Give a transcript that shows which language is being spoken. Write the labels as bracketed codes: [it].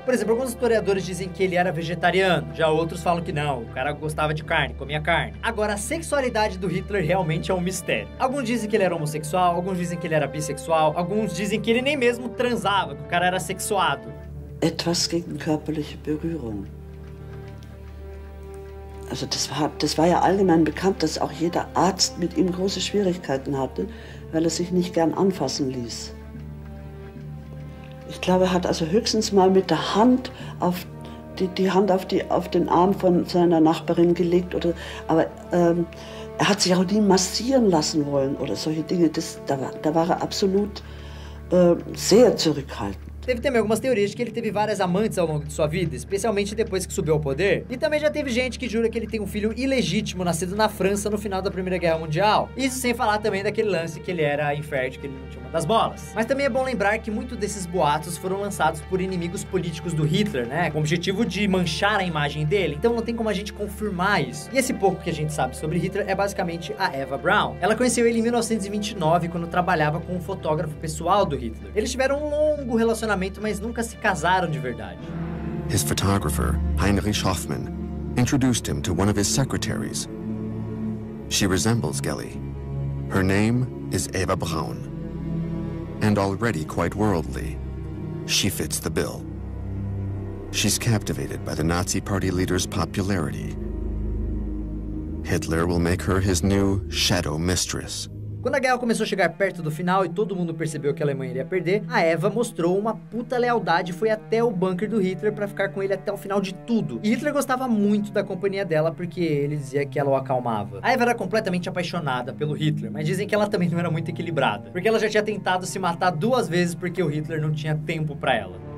[pt] Por exemplo, alguns historiadores dizem que ele era vegetariano, já outros falam que não, o cara gostava de carne, comia carne. Agora, a sexualidade do Hitler realmente é um mistério. Alguns dizem que ele era homossexual, alguns dizem que ele era bissexual, alguns dizem que ele nem mesmo transava, que o cara era sexuado. [de] Etwas gegen körperliche Berührung. Also das war ja allgemein bekannt, dass auch jeder Arzt mit ihm große Schwierigkeiten hatte, weil er sich nicht gern anfassen ließ. Ich glaube, er hat also höchstens mal mit der Hand auf die Hand auf den Arm von seiner Nachbarin gelegt oder aber er hat sich auch nie massieren lassen wollen oder solche Dinge. Da war er absolut sehr zurückhaltend. [pt] Teve também algumas teorias de que ele teve várias amantes ao longo de sua vida, especialmente depois que subiu ao poder. E também já teve gente que jura que ele tem um filho ilegítimo nascido na França no final da Primeira Guerra Mundial. Isso sem falar também daquele lance que ele era infértil, que ele não tinha uma das bolas. Mas também é bom lembrar que muitos desses boatos foram lançados por inimigos políticos do Hitler, né? Com o objetivo de manchar a imagem dele. Então não tem como a gente confirmar isso. E esse pouco que a gente sabe sobre Hitler é basicamente a Eva Braun. Ela conheceu ele em 1929, quando trabalhava com um fotógrafo pessoal do Hitler. Eles tiveram um longo relacionamento, mas nunca se casaram de verdade. [en] His photographer, Heinrich Hoffmann, introduced him to one of his secretaries. She resembles Gelly. Her name is Eva Braun. And already quite worldly, she fits the bill. She's captivated by the Nazi Party leader's popularity. Hitler will make her his new shadow mistress. [pt] Quando a guerra começou a chegar perto do final e todo mundo percebeu que a Alemanha iria perder, a Eva mostrou uma puta lealdade e foi até o bunker do Hitler pra ficar com ele até o final de tudo. E Hitler gostava muito da companhia dela porque ele dizia que ela o acalmava. A Eva era completamente apaixonada pelo Hitler, mas dizem que ela também não era muito equilibrada, porque ela já tinha tentado se matar duas vezes porque o Hitler não tinha tempo pra ela.